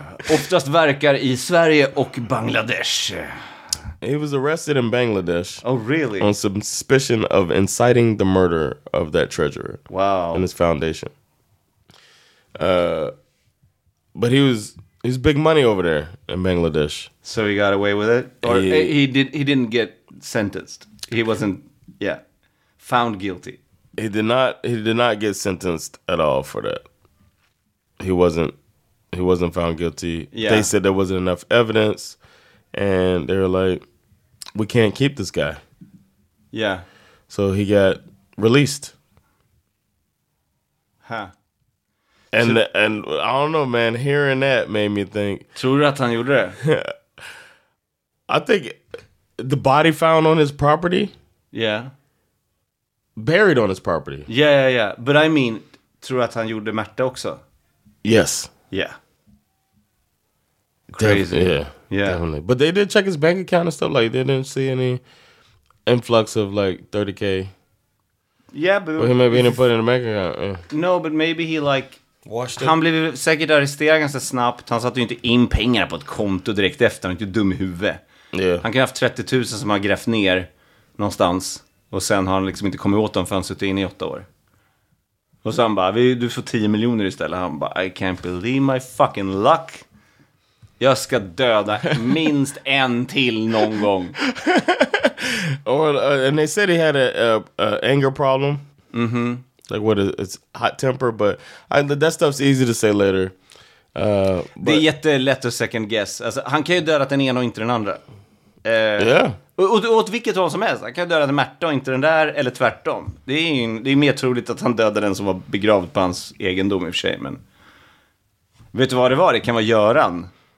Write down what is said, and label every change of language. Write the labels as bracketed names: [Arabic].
[Swedish] Oftast verkar i Sverige och Bangladesh. [English] He was arrested in Bangladesh. Oh, really? On suspicion of inciting the murder of that treasurer. Wow. And his foundation. But he's big money over there in Bangladesh. So he got away with it? Or he didn't get sentenced. He wasn't found guilty. He did not get sentenced at all for that. He wasn't found guilty. Yeah. They said there wasn't enough evidence and they were like, we can't keep this guy. Yeah. So he got released. Huh. And I don't know, man, hearing that made me think. [Swedish] Tror du att han gjorde det? [English] I think the body found on his property. Yeah. Buried on his property. Yeah, yeah, yeah. But I mean, [Swedish] tror du att han gjorde Märta också? [English] Yes. Yeah. Crazy. Definitely. But they did check his bank account and stuff. Like, they didn't see any influx of, like, 30K. Yeah, but... Well, maybe he didn't put it in a bank account. Yeah. No, but maybe he, like... washed it. [Swedish] Han blev säkert arresterad ganska snabbt. Han satte ju inte in pengarna på ett konto direkt efter. Han är inte dum i huvudet. [English] Yeah. [Swedish] Han kan ha haft 30 000 som han grävt ner någonstans. Och sen har han liksom inte kommit åt dem för han suttit in i 8 år. Och sen bara, du får 10 miljoner istället. Han bara, [English] I can't believe my fucking luck. [Swedish] Jag ska döda minst en till någon gång. [English] And they said he had an anger problem. Mm-hmm. Like what is it's hot temper, but that stuff's easy to say later. [Swedish] Det är jättelätt att [English] second guess. [Swedish] Alltså, han kan ju döda den ena och inte den andra. Åt vilket håll som helst. Han kan döda den Märta och inte den där, eller tvärtom. Det är mer troligt att han dödade den som var begravd på hans egendom i och för sig, men... Vet du vad det var? Det kan vara Göran.